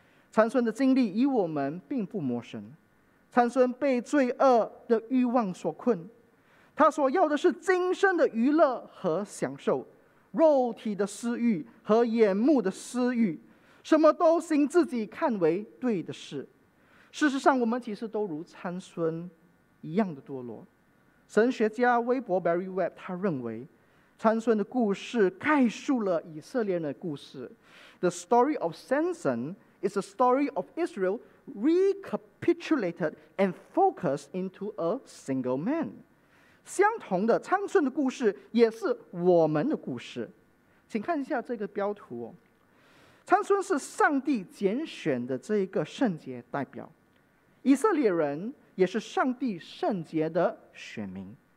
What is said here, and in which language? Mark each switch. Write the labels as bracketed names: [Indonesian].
[Chinese] 苍孙的经历与我们并不陌生，苍孙被罪恶的欲望所困，他所要的是今生的娱乐和享受，肉体的私欲和眼目的私欲，什么都行自己看为对的事。事实上我们其实都如苍孙一样的堕落。神学家威伯 Barry Webb 他认为苍孙的故事概述了以色列人的故事。 [English] The story of Samson is a story of Israel recapitulated and focused into a single man。 [Chinese] 相同的苍孙的故事也是我们的故事，请看一下这个标图、哦、苍孙是上帝拣选的这一个圣洁代表，以色列人也是上帝圣洁的选民。